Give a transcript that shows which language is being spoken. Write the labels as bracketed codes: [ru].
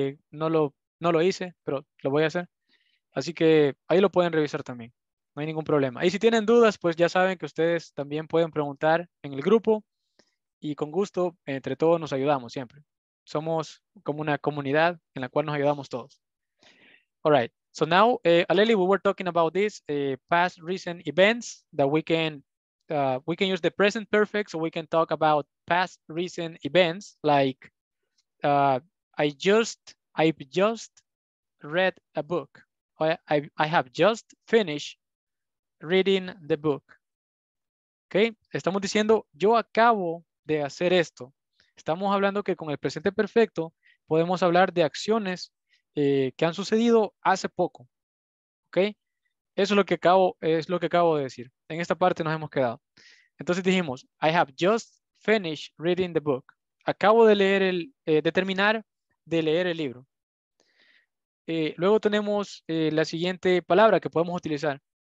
[es] No lo hice, pero lo voy a hacer. Así que ahí lo pueden revisar también. No hay ningún problema. Y si tienen dudas, pues ya saben que ustedes también pueden preguntar en el grupo. Y con gusto, entre todos nos ayudamos siempre. Somos como una comunidad en la cual nos ayudamos todos. [en] All right. So now, Aleli, we were talking about this past recent events that we can use the present perfect. So we can talk about past recent events like I've just read a book. I have just finished reading the book. [es] Okay, estamos diciendo yo acabo de hacer esto. Estamos hablando que con el presente perfecto podemos hablar de acciones que han sucedido hace poco. Okay, eso es lo que acabo de decir. En esta parte nos hemos quedado. Entonces dijimos [en] I have just finished reading the book. [es] Acabo de leer el libro. Luego tenemos la siguiente palabra que podemos utilizar.